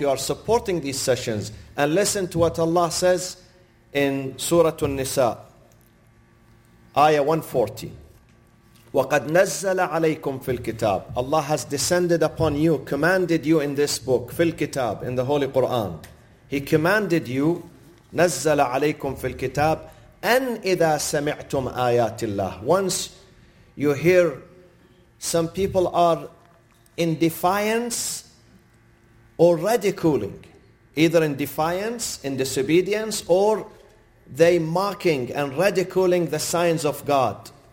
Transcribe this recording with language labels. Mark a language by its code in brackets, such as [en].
[en] You are supporting these sessions. And listen to what Allah says in Surah An-Nisa, Ayah 140. [ar] وَقَدْ نَزَّلَ عَلَيْكُمْ فِي الْكِتَابِ. [en] Allah has descended upon you, commanded you in this book, [ar] فِي الْكِتَابِ, [en] in the Holy Quran. He commanded you, [ar] نَزَّلَ عَلَيْكُمْ فِي الْكِتَابِ, أَنْ إِذَا سَمِعْتُمْ آيَاتِ اللَّهِ. [en] Once you hear some people are in defiance or ridiculing, either in defiance, in disobedience, or they mocking and ridiculing the signs of God.